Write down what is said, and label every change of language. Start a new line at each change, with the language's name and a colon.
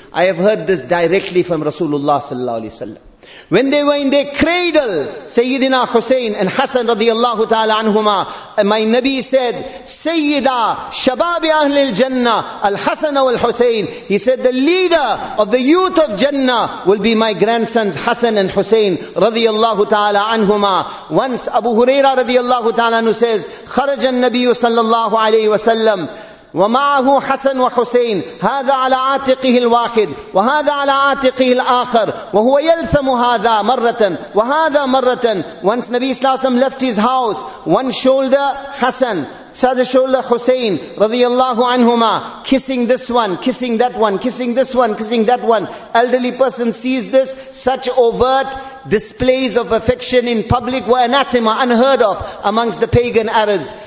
English: I have heard this directly from Rasulullah sallallahu alayhi wasallam. When they were in their cradle, Sayyidina Hussein and Hassan radiallahu ta'ala anhumah, my Nabi said, Sayyida Shababi Ahlil Jannah, Al Hassan wal Hussein. He said, the leader of the youth of Jannah will be my grandsons Hassan and Hussein radiallahu ta'ala anhumah. Once Abu Huraira radiallahu ta'ala anhu says, Kharajan Nabiyu sallallahu alayhi wa sallam,
Arabic: ومعه حسن وحسين هذا على عاتقه الواحد وهذا على عاتقه الآخر وهو يلثم هذا مرة وهذا مرة.
English: Once Nabi صلى الله عليه وسلم left his house, one shoulder حسن, other shoulder حسين رضي الله عنهما, kissing this one, kissing that one, kissing this one, kissing that one. Elderly person sees this, such overt displays of affection in public were anathema, unheard of amongst the pagan Arabs.